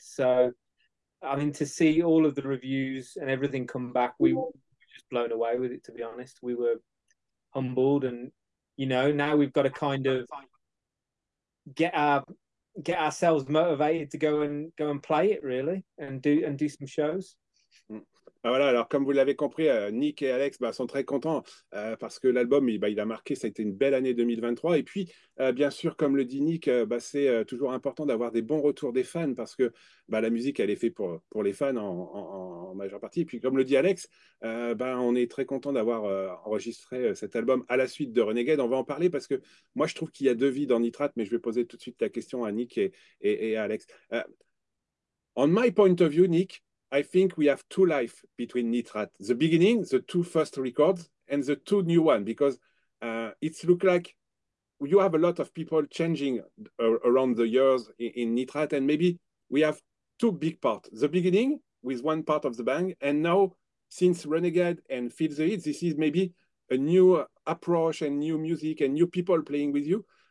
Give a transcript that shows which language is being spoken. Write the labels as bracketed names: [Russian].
[English] So, to see all of the reviews and everything come back, we were just blown away with it, to be honest. We were humbled and, now we've got to kind of get ourselves motivated to go and play it, really, and do some shows. [French] Voilà, alors comme vous l'avez compris, Nick et Alex sont très contents parce que l'album, il a marqué, ça a été une belle année 2023. Et puis, bien sûr, comme le dit Nick, c'est toujours important d'avoir des bons retours des fans parce que la musique, elle est faite pour les fans en majeure partie. Et puis, comme le dit Alex, on est très contents d'avoir enregistré cet album à la suite de Renegade. On va en parler parce que moi, je trouve qu'il y a deux vies dans Nitrate, mais je vais poser tout de suite la question à Nick et à Alex. [English] On my point of view, Nick, I think we have two life between Nitrate, the beginning, the two first records, and the two new one, because it looks like you have a lot of people changing around the years in Nitrate, and maybe we have two big parts, the beginning with one part of the band, and now since Renegade and Feel the Heat, this is maybe a new approach and new music and new people playing with you.